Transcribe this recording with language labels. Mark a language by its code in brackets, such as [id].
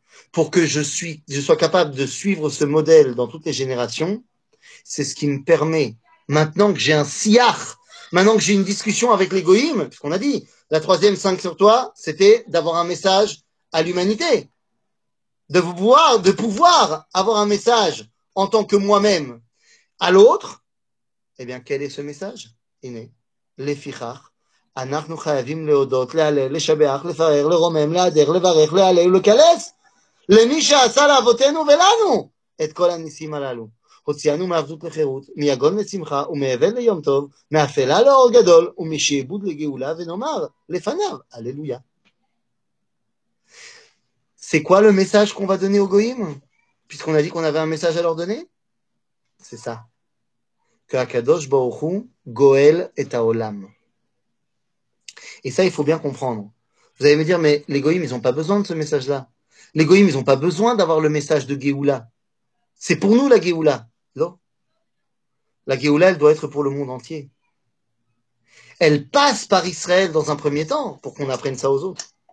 [fr] pour que je sois capable de suivre ce modèle dans toutes les générations, c'est ce qui me permet, maintenant que j'ai un siyach, maintenant que j'ai une discussion avec les goïms, ce qu'on a dit, la troisième cinq sur toi, c'était d'avoir un message à l'humanité, de pouvoir avoir un message en tant que moi-même à l'autre, eh bien, quel est ce message? [he] Iné, l'efichach. אנחנו חייבים להודות, להלל, לשבח, לפרר, לרומם, להדר, לברך, להלל ולקלס למי שעשה לאבותינו ולנו את כל הניסים הללו. הוציאנו מעבדות לחירות, מיגון לשמחה ומאבל ליום טוב, מאפלה לאור גדול ומשעבוד לגאולה ונאמר לפניו, הללויה. [fr] C'est quoi le message qu'on va donner aux goyim? Puisqu'on a dit qu'on avait un message à leur donner? C'est ça. Que [he] הקדוש ברוך הוא גואל את העולם. [fr] Et ça, il faut bien comprendre. Vous allez me dire, mais les goïms, ils n'ont pas besoin de ce message-là. Les goïms, ils n'ont pas besoin d'avoir le message de Géoula. C'est pour nous, la Géoula. Non. La Géoula, elle doit être pour le monde entier. Elle passe par Israël dans un premier temps, pour qu'on apprenne ça aux autres.